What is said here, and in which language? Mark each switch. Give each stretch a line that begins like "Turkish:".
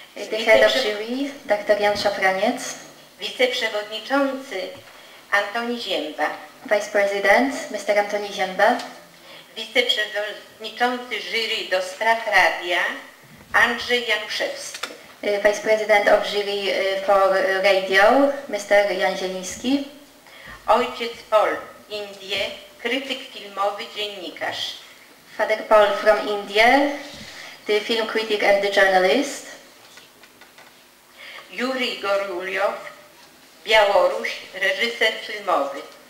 English: The head of jury, dr Jan Szafraniec.
Polish: Wiceprzewodniczący Antoni Zięba.
English: Vice President, Mr. Antoni Zięba.
Polish: Wiceprzewodniczący jury do spraw radia, Andrzej Januszewski.
English: Vice President of jury for radio, Mr. Jan Zieliński.
Polish: Ojciec Paul, Indie, krytyk filmowy, dziennikarz.
English: Father Paul from India, the film critic and the journalist.
Polish: Jurij Goruliow, Białoruś, reżyser filmowy.